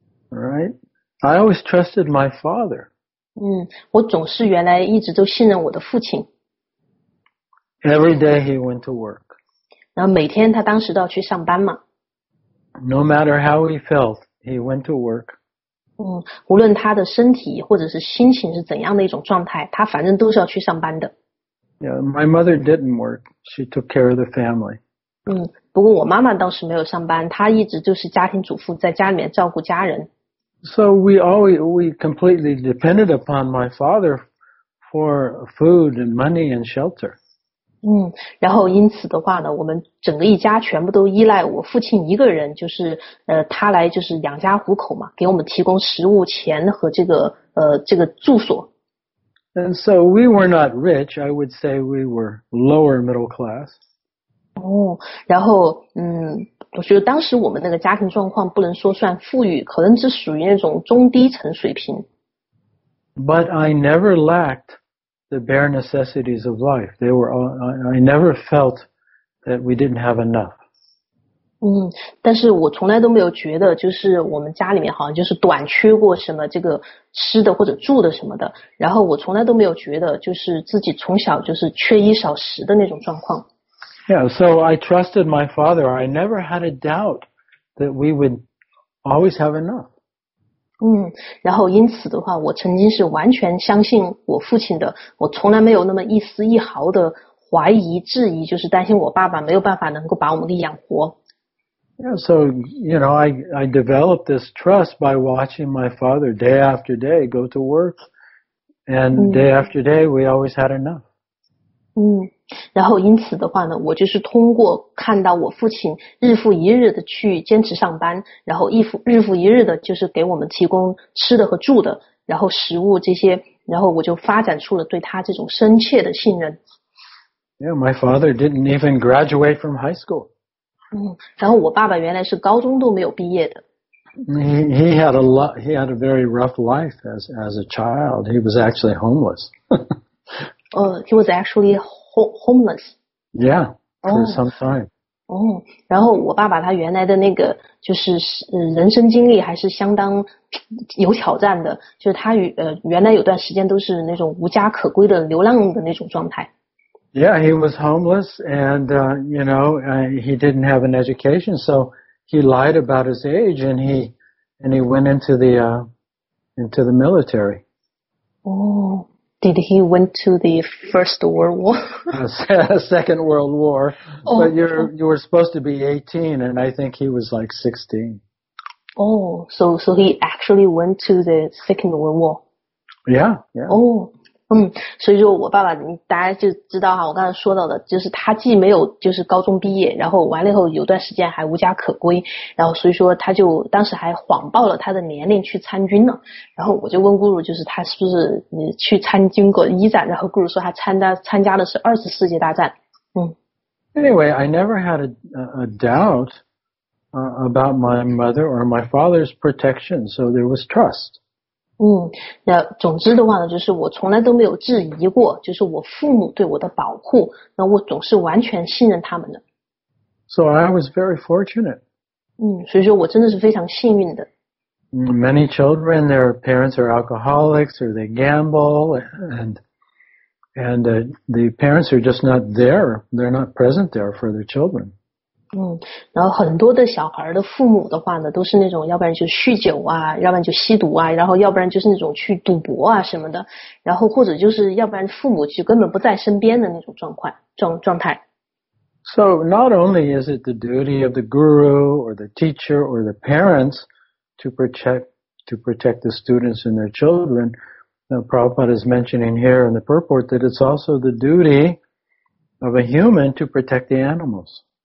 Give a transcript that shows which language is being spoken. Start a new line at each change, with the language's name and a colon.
English: Right. I always trusted my father.
Chinese: 我总是原来一直都信任我的父亲。
English: Every day he went to work.
Chinese: 然后每天他当时都要去上班嘛。
English: No matter how he felt, he went to work.
Chinese: 无论他的身体或者是心情是怎样的一种状态，他反正都是要去上班的。
English: Yeah, my mother didn't work. She took care of the family.
Chinese: 不过我妈妈当时没有上班，她一直就是家庭主妇，在家里面照顾家人。
English: So we completely depended upon my father for food and money and shelter.
Chinese: 然后因此的话呢，我们整个一家全部都依赖我父亲一个人，就是他来就是养家糊口嘛，给我们提供食物、钱和这个住所。
English: And so we were not rich. I would say we were lower middle class.
Chinese: 然后我觉得当时我们那个家庭状况不能说算富裕，可能只属于那种中低层水平。
English: But I never lacked the bare necessities of life. They were all, I never felt that we didn't have enough.
Chinese: 但是我从来都没有觉得就是我们家里面好像就是短缺过什么这个吃的或者住的什么的，然后我从来都没有觉得就是自己从小就是缺衣少食的那种状况。
English: Yeah, so I trusted my father. I never had a doubt that we would always have enough.
Chinese: 然后因此的话，我曾经是完全相信我父亲的，我从来没有那么一丝一毫的怀疑、质疑，就是担心我爸爸没有办法能够把我们给养活。
English: Yeah, so, you know, I developed this trust by watching my father day after day go to work, and day after day we always had enough.
Chinese: 然后因此的话呢，我就是通过看到我父亲日复一日的去坚持上班，然后日复一日的就是给我们提供吃的和住的，然后食物这些，然后我就发展出了对他这种深切的信任。
English: Yeah, my father didn't even graduate from high school.
Chinese: 然后我爸爸原来是高中都没有毕业的。
English: He had a very rough life as a child. He was actually homeless. he was actually homeless. Yeah, for some time.
Chinese: 然后我爸爸他原来的那个就是人生经历还是相当有挑战的，就是他原来有段时间都是那种无家可归的流浪的那种状态。
English: Yeah, he was homeless and, you know, he didn't have an education, so he lied about his age and he went into the, into the military. Oh, did he went to the First World War? Second World War. Oh. But you were supposed to be 18, and I think he was like 16. Oh, so he actually went to the Second World War. Yeah, yeah. Oh.
Chinese: 所以就我爸爸，大家就知道哈，我刚才说到的，就是他既没有就是高中毕业，然后完了以后有段时间还无家可归，然后所以说他就当时还谎报了他的年龄去参军了。然后我就问咕噜，就是他是不是你去参军过一战？然后咕噜说他参加的是二次世界大战。
English: Anyway, I never had a doubt about my mother or my father's protection, so there was trust.
Chinese: 那总之的话呢，就是我从来都没有质疑过，就是我父母对我的保护，那我总是完全信任他们的。
English: So I was very fortunate.
Chinese: 所以说我真的是非常幸运的。
English: Many children, their parents are alcoholics or they gamble, and the parents are just not there. They're not present there for their children.
Chinese: 然后很多的小孩的父母的话呢，都是那种要不然就酗酒啊，要不然就吸毒啊，然后要不然就是那种去赌博啊什么的，然后或者就是要不然父母就根本不在身边的那种状态。
English: So not only is it the duty of the guru or the teacher or the parents to protect the students and their children, Prabhupada is mentioning here in the purport that it's also the duty of a human to protect the animals.